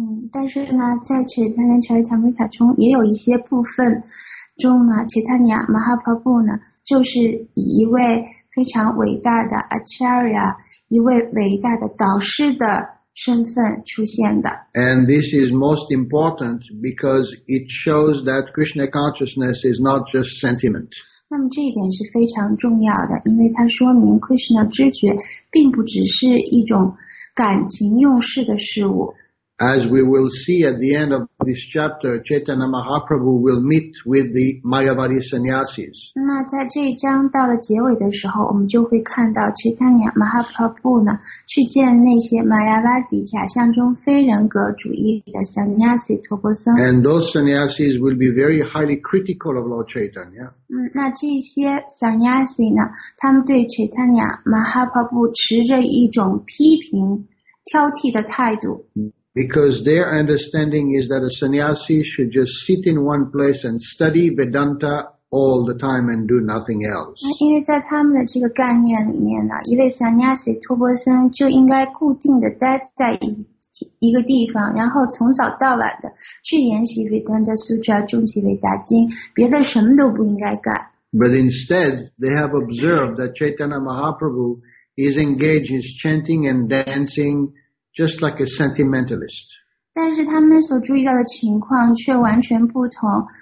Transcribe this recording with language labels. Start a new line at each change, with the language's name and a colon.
Chinese: 但是呢在 Chaitanya Charitamrita 中也有一些部分中呢，其他尼亚马哈帕布呢，就是以一位非常伟大的 Acharya， 一位伟大的导师的身份出现的。
English: And this is most important because it shows that Krishna consciousness is not just sentiment.
Chinese: 那么这一点是非常重要的，因为它说明 Krishna 知觉并不只是一种感情用事的事物。
English: As we will see at the end of this chapter, Chaitanya Mahaprabhu will meet with the Mayavadi sannyasis.
Chinese: 那在这一章到了结尾的时候，我们就会看到 Chaitanya Mahaprabhu 呢去见那些 Mayavadi 假象中非人格主义的 sannyasi 陀钵僧。
English: And those sannyasis will be very highly critical of Lord Chaitanya.
Chinese: 那这些 sannyasi 呢，他们对 Chaitanya Mahaprabhu 持着一种批评、挑剔的态度。
English: Because their understanding is that a sannyasi should just sit in one place and study Vedanta all the time and do nothing else.
Chinese: 因为在他们的这个概念里面呢，一位 sannyasi 托钵僧就应该固定的待在一个地方，然后从早到晚的去研习 Vedanta Sutra， 中其为大经，别的什么都不应该干。
English: But instead, they have observed that Chaitanya Mahaprabhu is engaged in chanting and dancing. Just like a sentimentalist.
Chinese: 但是他们所注意到的情况却完全不同。